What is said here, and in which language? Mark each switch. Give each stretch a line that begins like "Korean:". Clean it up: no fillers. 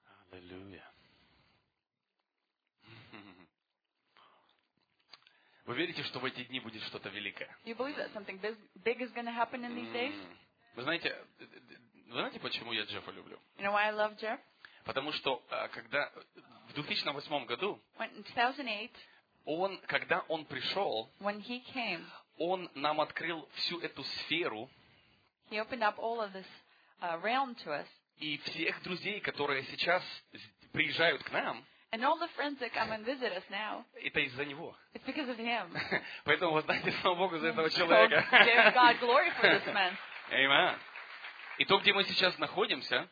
Russian: Аллилуйя. Вы верите, что в эти дни будет что-то великое?
English: You believe that something big is going to happen in these days?
Russian: Вы знаете, почему я Джеффа люблю?
English: You know why I love Jeff?
Russian: Потому что когда в 2008 году,
English: when in 2008,
Russian: он, когда он пришел,
English: when he came,
Russian: он нам открыл всю эту сферу.
English: He opened up all of this realm to us.
Russian: И всех друзей, которые сейчас приезжают к нам,
English: now,
Russian: это из-за него.
English: It's because of him.
Russian: Поэтому воздайте слава Богу за этого человека.
English: Give God glory for this man. Amen.
Russian: И то, где мы сейчас находимся,